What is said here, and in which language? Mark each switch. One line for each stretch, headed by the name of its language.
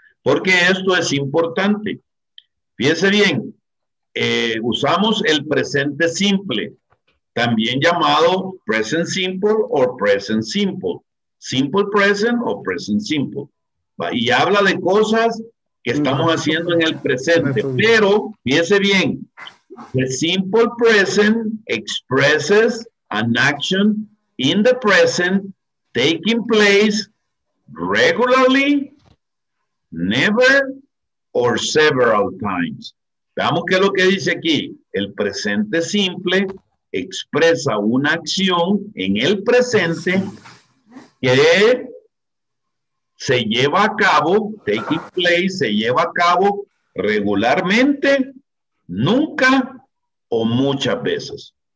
Spanish: Porque esto es importante. Fíjense bien. Usamos el presente simple, también llamado present simple o present simple. Simple present o present simple. ¿Va? Y habla de cosas que estamos haciendo en el presente. Pero, fíjense bien,
English: the simple present expresses an action in the present taking place regularly, never or several times.
Spanish: Veamos qué es lo que dice aquí. El presente simple expresa una acción en el presente que se lleva a cabo,
English: taking place,
Spanish: se lleva a cabo regularmente, nunca o muchas veces.